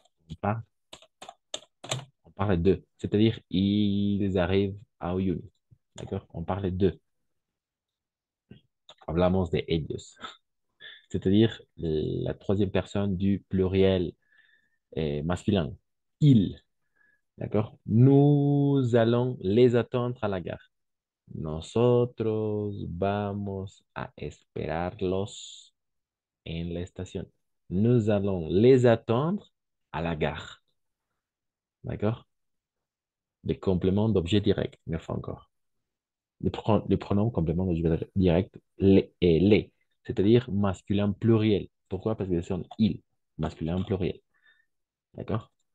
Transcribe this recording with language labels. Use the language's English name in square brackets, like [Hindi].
[French] On parle de, c'est-à-dire ils arrivent à Uyuni. D'accord? On parle de. [Spanish] Hablamos de ellos. [French] C'est-à-dire la troisième personne du pluriel est masculin. Ils. D'accord? Nous allons les attendre à la gare. [Spanish] Nosotros vamos a esperarlos. En la station. [French] Nous allons les attendre à la gare. D'accord? Les compléments d'objet direct, une fois encore. Les pronoms compléments d'objet direct, les et les. C'est-à-dire masculin pluriel. Pourquoi? Parce que c'est un il, masculin pluriel. D'accord?